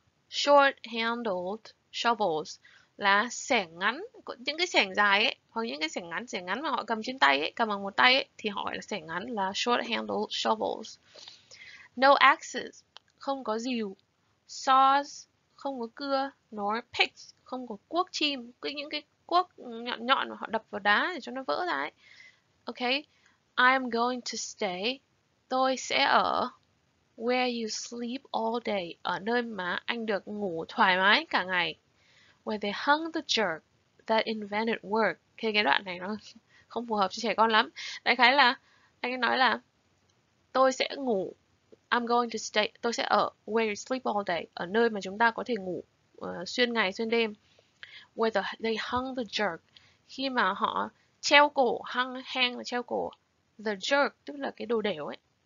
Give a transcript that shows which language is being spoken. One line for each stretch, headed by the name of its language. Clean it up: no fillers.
English: Short handled shovels
Vietnamese: là xẻng ngắn, những cái xẻng dài ấy, hoặc những cái xẻng ngắn mà họ cầm trên tay ấy, cầm bằng một tay ấy, thì họ gọi là xẻng ngắn, là
English: short handle shovels. No axes,
Vietnamese: không có rìu. Saws, không có cưa.
English: Nor picks,
Vietnamese: không có cuốc chim, cái những cái cuốc nhọn nhọn mà họ đập vào đá để cho nó vỡ ra ấy.
English: Ok, I'm going to stay,
Vietnamese: tôi sẽ ở,
English: Where you sleep all day,
Vietnamese: ở nơi mà anh được ngủ thoải mái cả ngày.
English: Where they hung the jerk that invented work.
Vietnamese: Thì cái đoạn này nó không phù hợp cho trẻ con lắm. Đại khái là anh ấy nói là tôi sẽ ngủ,
English: I'm going to stay,
Vietnamese: tôi sẽ ở
English: where you sleep all day,
Vietnamese: ở nơi mà chúng ta có thể ngủ xuyên ngày xuyên đêm.
English: Where they hung the jerk,
Vietnamese: khi mà họ treo cổ, hung hang là treo cổ,
English: the jerk
Vietnamese: tức là cái đồ đểu ấy.